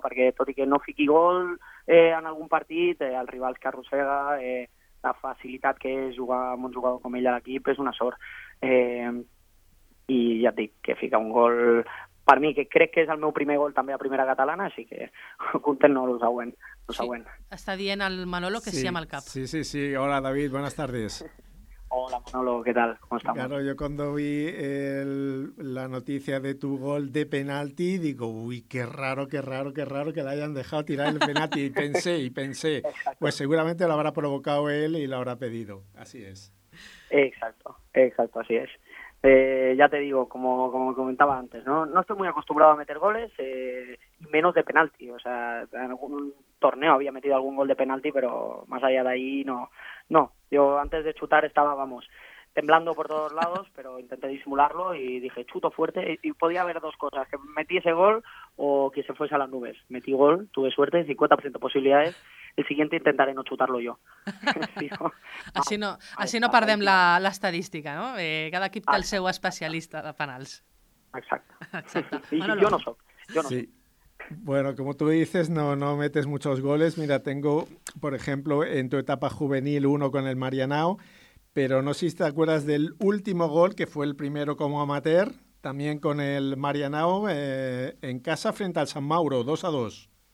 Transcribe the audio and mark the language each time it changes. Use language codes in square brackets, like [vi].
[ca] Perquè tot i que no fiqui gol en algun partit, el rival que arrossega, la facilitat que és jugar amb un jugador com ell a l'equip, és una sort. I ja et dic que fica un gol per mi, que crec que és el meu primer gol també a Primera Catalana, així que content, no, lo següent. Està dient el Manolo que sí, amb el cap. [es] Sí. Hola, David, buenas tardes. Hola, Manolo, ¿qué tal? ¿Cómo estamos? Claro, yo cuando vi la noticia de tu gol de penalti, digo, uy, qué raro que le hayan dejado tirar el penalti. Y pensé, pues seguramente lo habrá provocado él y lo habrá pedido. Así es. Exacto, así es. Ya te digo, como comentaba antes, no estoy muy acostumbrado a meter goles, menos de penalti. O sea, en algún torneo había metido algún gol de penalti, pero más allá de ahí no. No, yo antes de chutar estaba, vamos, temblando por todos lados, pero intenté disimularlo y dije, chuto fuerte. Y podía haber dos cosas, que metí ese gol o que se fuese a las nubes. Metí gol, tuve suerte, 50% posibilidades. El siguiente intentaré no chutarlo yo. [ca] Así no, así no perdem la estadística, ¿no? Cada equip té el seu especialista de penals. [es] Exacto. Bueno, yo no soc. Yo no sí. Bueno, como tú dices, no metes muchos goles. Mira, tengo, por ejemplo, en tu etapa juvenil uno con el Marianao, pero no sé si te acuerdas del último gol, que fue el primero como amateur, también con el Marianao, en casa frente al San Mauro, 2-2.